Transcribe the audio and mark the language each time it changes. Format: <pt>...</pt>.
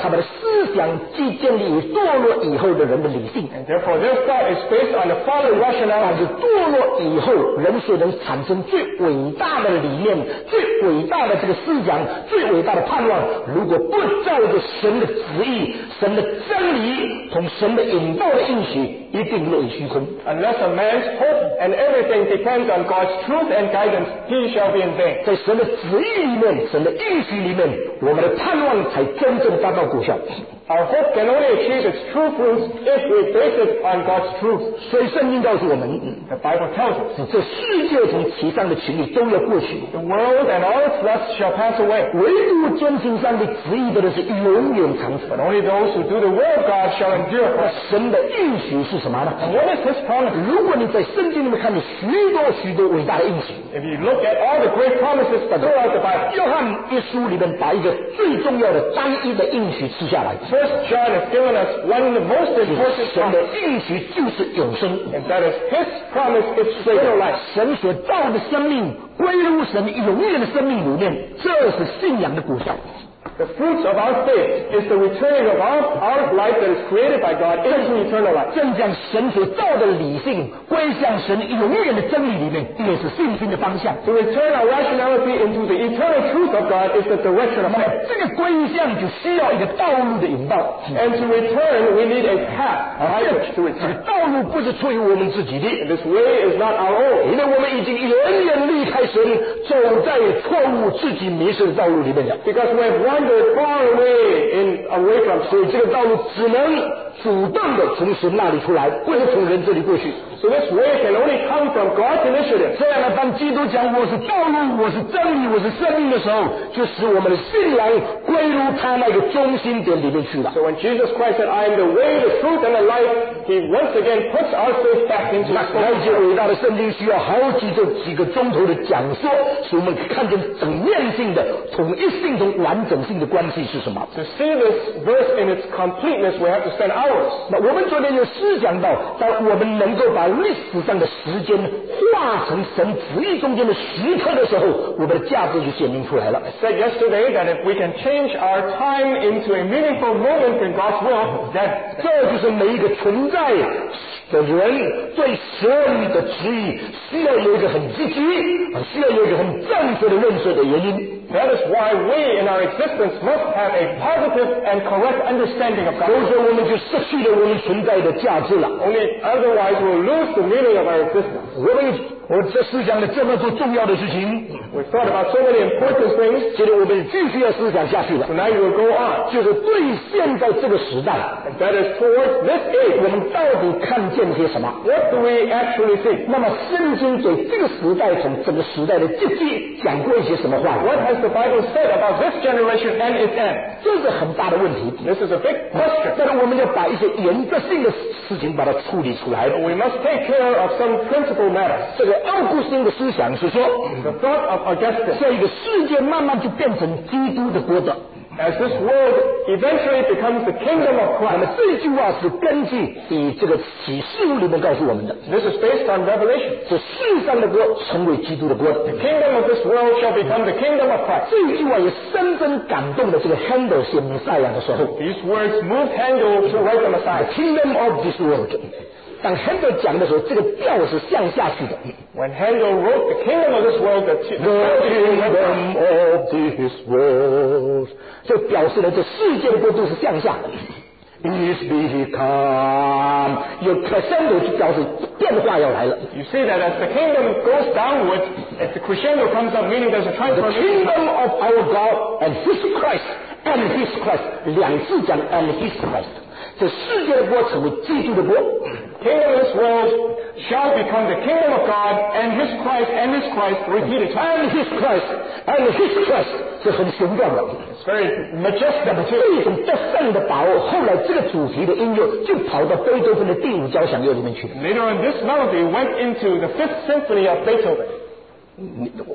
<zh>他们的思想既建立于堕落以后的人的理性</zh> <en>，and therefore their thought is based on a fallen rationale。</en> <zh>但是堕落以后，人所能产生最伟大的理念、最伟大的这个思想、最伟大的盼望，如果不照着神的旨意、神的真理同神的引导的应许，一定落于虚空。</zh> <en>Unless a man's hope and everything depends on God's truth and guidance, he shall be in vain。</en> <zh>在神的旨意里面，神的应许里面，我们的盼望才真正达到果效。</zh> <en>Our hope can only achieve its true fruits if we base it on God's truth。</en> <zh>所以圣经告诉我们</zh> <en>，The Bible tells us，</en> <zh>这世界从其上的情欲都要过去。</zh> <en>The world and all its lust shall pass away。</en> <zh>唯独遵行上帝旨意的人是永远长存。</zh> <en>But only those who do the will of God shall endure。</en> <zh>那神的应许是什么呢</zh> <en>？And what is His promise？</en> <zh>如果你在圣经里面看到许多许多伟大的应许</zh> <en>，If you look at all the great promises throughout the Bible，</en> <zh>约翰一书里面把一个最重要的单一的应许吃下来。</zh> <en>First John has given us one of the most important</en> <zh>神的应许就是永生</zh> <en>，and that is His promise is eternal life。</en> <zh>神所造的生命归入神永远的生命里面，这是信仰的果效。</zh> <en>The fruits of our faith is the returning of our life that is created by God into eternal life。</en> <zh>正将神所造的理性归向神永远的真理里面，也是信心的方向。</zh> <en>To return our rationality into the eternal truth of God is the direction of faith。</en> <zh>这个归向就需要一个道路的引导。</zh> <en>And to return, we need a path by which to return。</en> <zh>道路不是出于我们自己的。</zh> <en>This way is not our own。</en> <zh>因为我们已经远远离开神，走在错误自己迷失的道路里面了。</zh> <en>Because we have wandered far away and away from，</en> <zh>所以这个道路只能主动的从神那里出来，不是从人这里过去。</zh> <en>So this way can only come from God's initiative。</en> <zh>这样呢，当基督讲我是道路，我是真理，我是生命的时候，就使我们的信仰归入他那个中心点里面去了。</zh> <en>So when Jesus Christ said, "I am the way, the truth, and the life," He once again puts our faith back into His word。</en> <zh>那些伟大的圣经需要好几个钟头的讲说，使我们看见整面性的、统一性中完整性的关系是什么。</zh> <en>To see this verse in its completeness, we have to spend hours。</en> <zh>那我们昨天有思想到，当我们能够把历史上的时间化成神旨意中间的时刻的时候，我们的价值就显明出来了。</zh> <en>I said yesterday that if we can change our time into a meaningful moment in God's will, then</en> <zh>这就是每一个存在的人对神的旨意需要有一个很积极、需要有一个很正确的认识的原因。</zh> <en>That is why we in our existence must have a positive and correct understanding of God.</en> <zh>否则我们就失去了我们存在的价值了。</zh> <en>Only otherwise we'll lose the meaning of our existence.</en> <zh>我这思想了这么多重要的事情,</zh> <en>we thought about so many important things.</en> <zh>接着我们继续要思想下去了。</zh> <en>So now you will go on.</en> <zh>就是对现在这个时代,</zh> <en>and that is towards this age.</en> <zh>我们到底看见些什么?</zh> <en>What do we actually see?</en> <zh>那么圣经给这个时代从整个时代的结局讲过一些什么话?</zh> <en>What has the Bible said about this generation and its end?</en> <zh>这是很大的问题。</zh> <en>This is a big question.</en> <zh>但是我们要把一些原则性的事情把它处理出来。</zh> <en>We must take care of some principal matters.</en> <zh>这个奥古斯丁的思想是说,</zh> <en>the thought of Augustine,</en> <zh>下一个世界慢慢就变成基督的国的,</zh> <en>as this world eventually becomes the kingdom of Christ.</en> <zh>那么这句话是根据这个启示录里面告诉我们的,</zh> <en>this is based on Revelation.</en> <zh>这世上的国成为基督的国,</zh> <en>the kingdom of this world shall become the kingdom of Christ.</en> <zh>这句话也深深感动了这个Handel写弥赛亚的时候,</zh> <en>these words moved Handel to write the Messiah. The kingdom of this world.</en> <zh>当Handel讲的时候，这个调是向下去的。</zh> <en>When Handel wrote the kingdom of this world, the kingdom of this world,</en> <zh>就表示了这世界的国度是向下的。</zh> <en>It's become,</en> <zh>有crescendo就表示变化要来了。</zh> <en>You see that as the kingdom goes downward, as the crescendo comes up, meaning there's a transformation. The kingdom of our God and His Christ, and His Christ,</en> <zh>两次讲,</zh> <en>and His Christ.</en> <zh>这世界的国成为基督的国。</zh> <en>Kingdom of this world shall become the kingdom of God and his Christ, repeated. And his Christ,</en> <zh>这很雄壮的。</zh> <en>It's very majestic.</en> <zh>这种得胜的把握，后来这个主题的音乐就跑到贝多芬的第五交响乐里面去了。</zh> <en>Later on, this melody went into the fifth symphony of Beethoven.</en>